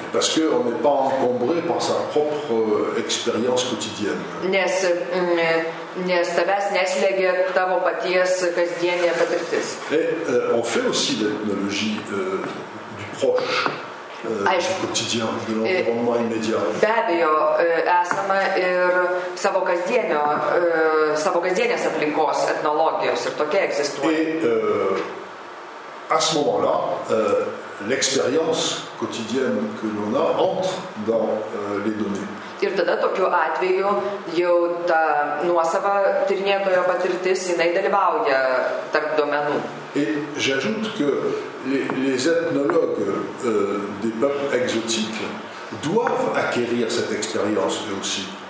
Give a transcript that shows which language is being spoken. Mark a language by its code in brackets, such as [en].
[fr] Parce que on n'est pas encombré par sa propre expérience quotidienne. [lt] Nes tavęs neslėgia tavo paties kasdienė patirtis. [fr] Et on fait aussi l'ethnologie du proche. Du quotidien, de l'environnement immédiat. [lt] Be abejo, esame ir savo kasdienio, savo kasdienės aplinkos etnologijos ir tokia egzistuoja. [fr] Et à ce moment-là, l'expérience quotidienne que l'on a entre dans les données. [lt] Ir tada tokiu atveju jau ta nuosava tyrinėtojo patirtis, jinai dalyvauja tarp duomenų. [fr] Et j'ajoute que les ethnologues des peuples exotiques doivent acquérir cette expérience eux aussi.